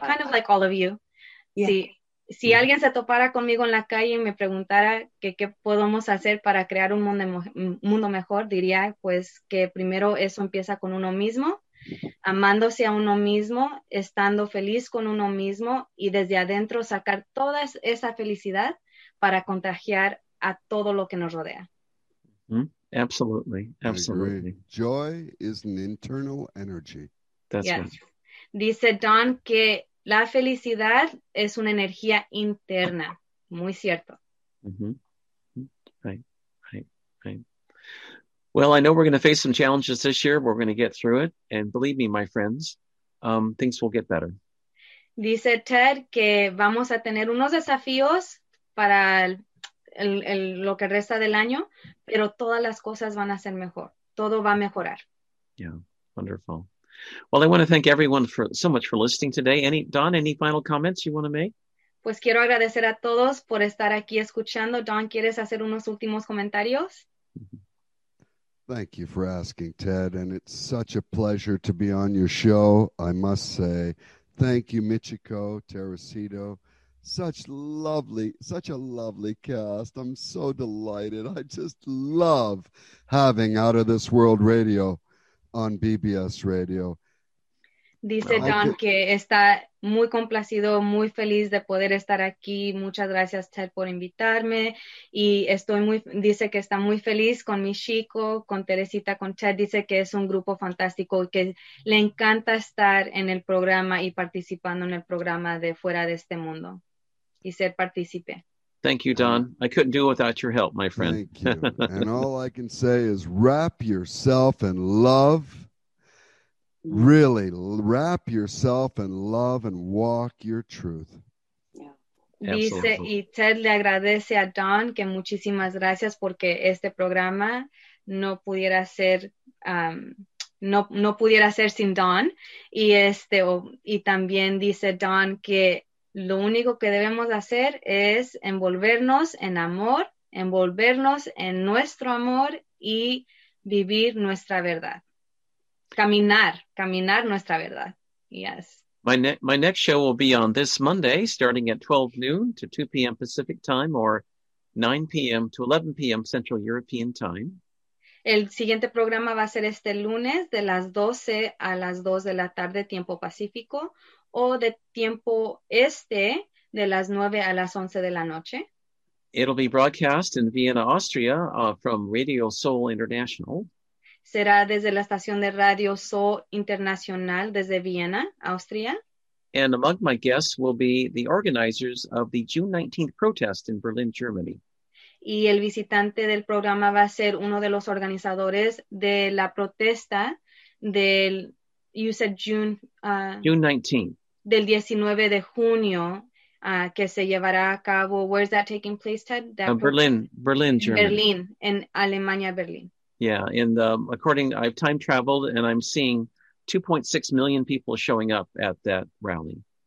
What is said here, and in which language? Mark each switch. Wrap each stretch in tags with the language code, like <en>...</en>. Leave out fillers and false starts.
<en>Kind of like all of you. Yeah.</en> <es>Si alguien se topara conmigo en la calle y me preguntara qué podemos hacer para crear un mundo mejor, diría pues que primero eso empieza con uno mismo, amándose a uno mismo, estando feliz con uno mismo y desde adentro sacar toda esa felicidad para contagiar a todo lo que nos rodea.</es> <en>Mm-hmm. Absolutely, absolutely. Joy is an internal energy. That's yes. Right.</en> <es>Dice Don que la felicidad es una energía interna. Muy cierto.</es> <en>Mm-hmm. Right. Well, I know we're going to face some challenges this year. We're going to get through it. And believe me, my friends, things will get better.</en> <es>Dice Ted que vamos a tener unos desafíos para lo que resta del año, pero todas las cosas van a ser mejor. Todo va a mejorar.</es> <en>Yeah, wonderful. Well, I want to thank everyone so much for listening today. Don, any final comments you want to make?</en> <es>Pues quiero agradecer a todos por estar aquí escuchando. Don, ¿quieres hacer unos últimos comentarios?</es> <en>Thank you for asking, Ted. And it's such a pleasure to be on your show, I must say. Thank you, Michiko, Teresito. Such a lovely cast. I'm so delighted. I just love having Out of This World Radio on BBS Radio.</en> <es>Dice Don que está muy complacido, muy feliz de poder estar aquí. Muchas gracias, Ted, por invitarme. Y estoy muy, dice que está muy feliz con mi chico, con Teresita, con Ted. Dice que es un grupo fantástico y que le encanta estar en el programa y participando en el programa de Fuera de Este Mundo y ser partícipe.</es> <en>Thank you, Don. I couldn't do it without your help, my friend. Thank you. And all I can say is wrap yourself in love. Really, wrap yourself in love and walk your truth. Yeah.</en> <es>Dice, y Ted le agradece a Don que muchísimas gracias porque este programa no pudiera ser no pudiera ser sin Don. Y también dice Don que lo único que debemos hacer es envolvernos en amor, envolvernos en nuestro amor y vivir nuestra verdad. Caminar nuestra verdad. Yes.</es> <en>My next show will be on this Monday, starting at 12 noon to 2 p.m. Pacific time, or 9 p.m. to 11 p.m. Central European time.</en> <es>El siguiente programa va a ser este lunes de las 12 a las 2 de la tarde, tiempo pacífico, o de tiempo este de las 9 a las 11 de la noche.</es> <en>It'll be broadcast in Vienna, Austria, from Radio Soul International.</en> <es>Será desde la estación de radio Soul Internacional desde Viena, Austria.</es> <en>And among my guests will be the organizers of the June 19th protest in Berlin, Germany.</en> <es>Y el visitante del programa va a ser uno de los organizadores de la protesta del,</es> <en>you said June 19th.</en> <es>Del 19 de junio, que se llevará a cabo.</es> <en>Where is that taking place, Ted? Berlin, Germany.</en> <es>Berlin, en Alemania, Berlin.</es> <en>Yeah, I've time traveled and I'm seeing 2.6 million people showing up at that rally.</en>